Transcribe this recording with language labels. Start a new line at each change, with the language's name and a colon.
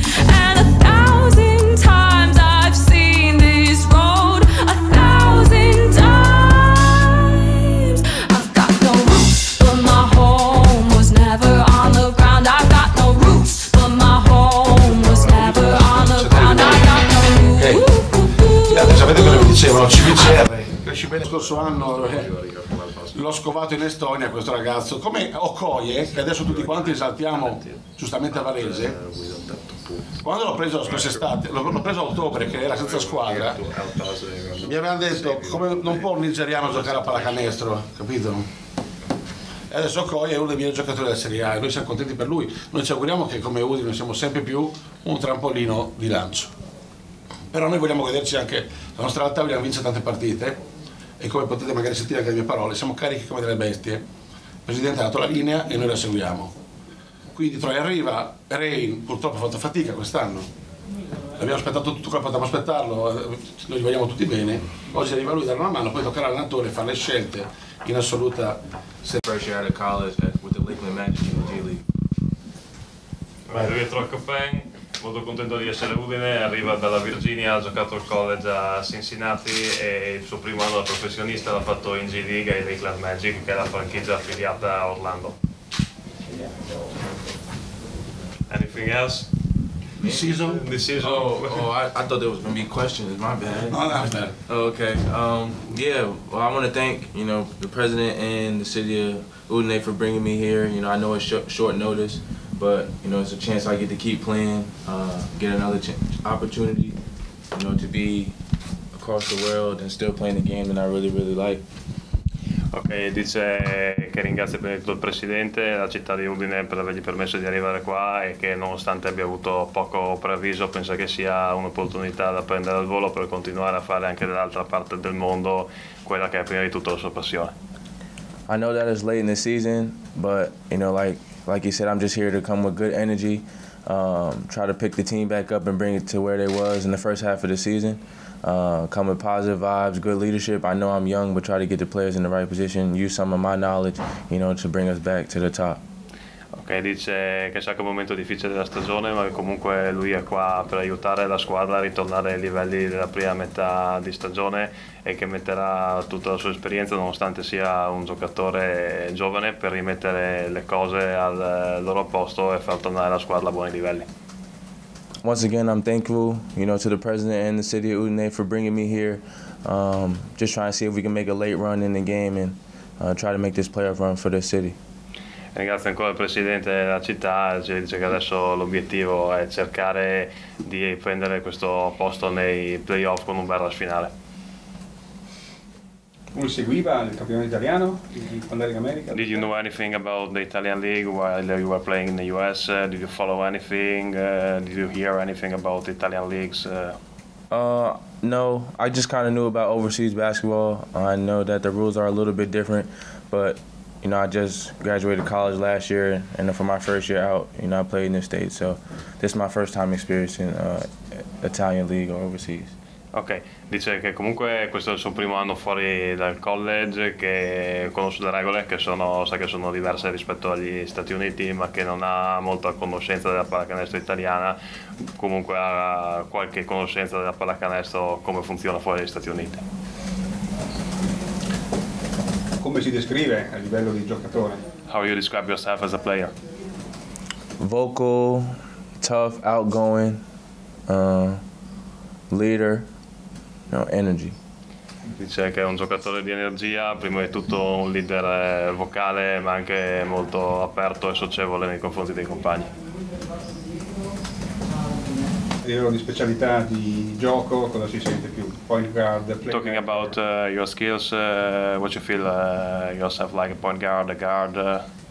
English: And a thousand times I've seen this road, a thousand times. I've got no roots, but my home was never on the ground. I've got no roots, but my home was never on the ground. I've got no roots.
Italian: Lo scorso anno l'ho scovato in Estonia questo ragazzo, come Okoye, che adesso tutti quanti esaltiamo giustamente a Varese. Quando l'ho preso quest'estate, l'ho preso a ottobre, che era senza squadra, mi avevano detto come non può un nigeriano giocare a pallacanestro, capito? E adesso Okoye è uno dei miei giocatori della Serie A e noi siamo contenti per lui. Noi ci auguriamo che come Udine siamo sempre più un trampolino di lancio. Però noi vogliamo goderci anche la nostra realtà, vogliamo vincere tante partite. E come potete magari sentire anche le mie parole, siamo carichi come delle bestie. Il presidente ha dato la linea e noi la seguiamo. Quindi Troy arriva, Rain purtroppo ha fatto fatica quest'anno. Abbiamo aspettato tutto quello che potevamo aspettarlo, noi gli vogliamo tutti bene. Oggi arriva lui a dare una mano, poi toccherà all'allenatore fare le scelte in assoluta serenità.
English: Fresh out of college with the Lakeland Magic in the G League.
Italian: Molto contento di essere Udine, arriva dalla Virginia, ha giocato il college a Cincinnati e il suo primo anno da professionista l'ha fatto in G League e in Lakeland Magic, che è la franchigia affiliata a Orlando.
English: Anything else? This season? This season. Oh, I thought there was going to be questions, my bad. Not bad. Oh, okay. Well, I want to thank, you know, the president and the city of Udine for bringing me here. You know, I know it's short notice. But, you know, it's a chance I get to keep playing, get another opportunity, you know, to be across the world and still playing the game that I really, really like.
Italian: Ok, dice che ringrazia per il presidente la città di Udine per avergli permesso di arrivare qua e che nonostante abbia avuto poco preavviso pensa che sia un'opportunità da prendere al volo per continuare a fare anche dall'altra parte del mondo quella che è prima di tutto la sua passione.
English: I know that it's late in the season, but, you know, like you said, I'm just here to come with good energy, try to pick the team back up and bring it to where they was in the first half of the season. Come with positive vibes, good leadership. I know I'm young, but try to get the players in the right position, use some of my knowledge, you know, to bring us back to the top.
Italian: Ok, dice che sa che è un momento difficile della stagione, ma comunque lui è qua per aiutare la squadra a ritornare ai livelli della prima metà di stagione e che metterà tutta la sua esperienza, nonostante sia un giocatore giovane, per rimettere le cose al loro posto e far tornare la squadra a buoni livelli.
English: Once again, I'm thankful, you know, to the president and the city of Udine for bringing me here. Just trying to see if we can make a late run in the game and try to make this playoff run for this city.
Italian: Ringrazio ancora il presidente della città, ci dice che adesso l'obiettivo è cercare di prendere questo posto nei playoff con un bel rush finale. Un seguiva il campionato italiano, quando era in America?
English: Did you know anything about the Italian league while you were playing in the US? Did you follow anything? Did you hear anything about the Italian leagues? No, I just kind of knew about overseas basketball. I know that the rules are a little bit different, but you know, I just graduated college last year, and for my first year out, you know, I played in the States. So this is my first time experiencing Italian league or overseas.
Italian: Okay, dice che comunque questo è il suo primo anno fuori dal college, che conosce le regole, che sono, sa che sono diverse rispetto agli Stati Uniti, ma che non ha molta conoscenza della pallacanestro italiana. Comunque ha qualche conoscenza della pallacanestro come funziona fuori dagli Stati Uniti. come si descrive a livello di giocatore?
English: How you describe yourself as a player? Vocal, tough, outgoing, leader, no, energy.
Italian: Dice che è un giocatore di energia, prima di tutto un leader vocale, ma anche molto aperto e socievole nei confronti dei compagni. Livello di specialità di gioco, cosa si sente più?
English: Point guard, playmaker. Talking about your skills, what you feel yourself like, a point guard, a guard?